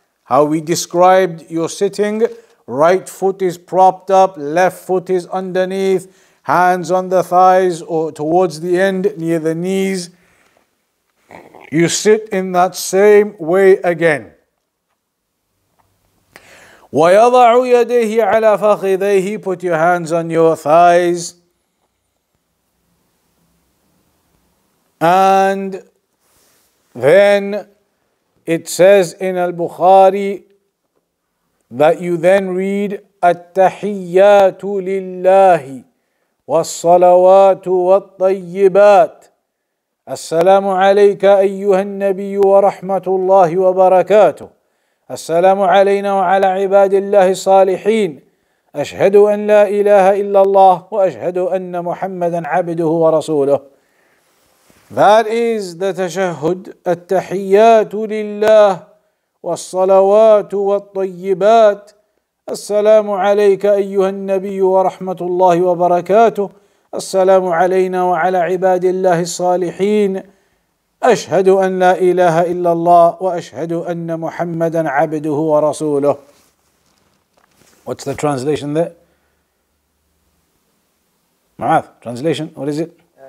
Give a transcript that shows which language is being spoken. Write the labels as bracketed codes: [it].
[en] How we described your sitting, right foot is propped up, left foot is underneath, hands on the thighs or towards the end near the knees. You sit in that same way again. [ar] وَيَضَعُ يَدَيْهِ عَلَى فَخِذَيْهِ. [en] Put your hands on your thighs. And then it says in Al-Bukhari that you then read [ar] التَّحِيَّاتُ لِلَّهِ والصلوات والطيبات السلام عليك أيها النبي ورحمة الله وبركاته السلام علينا وعلى عباد الله الصالحين أشهد أن لا إله إلا الله وأشهد أن محمدا عبده ورسوله. [en] That is the تشهد. [ar] التحيات لله والصلوات والطيبات السلام عليك أيها النبي ورحمة الله وبركاته السلام علينا وعلى عباد الله الصالحين أشهد أن لا إله إلا الله وأشهد أن محمدا عبده ورسوله. [en] What's the translation there? Ma'ath, translation, what is it?